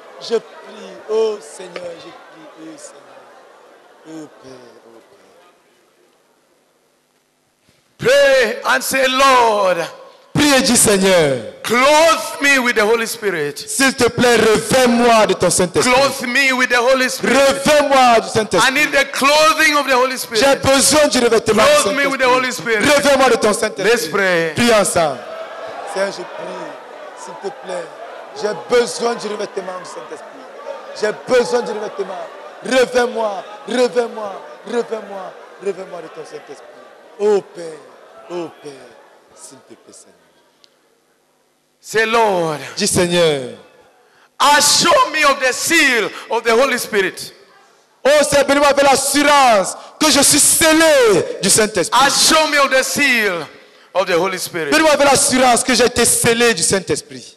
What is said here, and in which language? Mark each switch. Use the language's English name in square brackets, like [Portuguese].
[French] Je prie, oh Seigneur, je prie, oh Seigneur. Oh Père. [English] Pray and say, Lord. [French] Prie et dis, Seigneur. [English] Clothe me with the Holy Spirit. [French] S'il te plaît, revêt-moi de ton Saint-Esprit. [English] Clothe me with the Holy Spirit. [French] Revêt-moi du Saint-Esprit. [English] I need the clothing of the Holy Spirit. [French] J'ai besoin du revêtement. [English] Clothe me with the Holy Spirit. [French] Revêt-moi de ton Saint-Esprit. [English] Let's pray. [French] Prie ensemble. Seigneur, je prie. S'il te plaît. J'ai besoin du revêtement du Saint-Esprit. J'ai besoin du revêtement. Revêt-moi. Revêt-moi. Revêt-moi. Revêt-moi de ton Saint-Esprit. Oh Père. Oh Père, s'il te plaît, Seigneur. [English] Say, Lord. [French] Dis, Seigneur. [English] Assure me of the seal of the Holy Spirit. [French] Oh, c'est béni avec l'assurance que je suis scellé du Saint-Esprit. [English] Assure me of the seal of the Holy Spirit. [French] Béni avec l'assurance que j'ai été scellé du Saint-Esprit.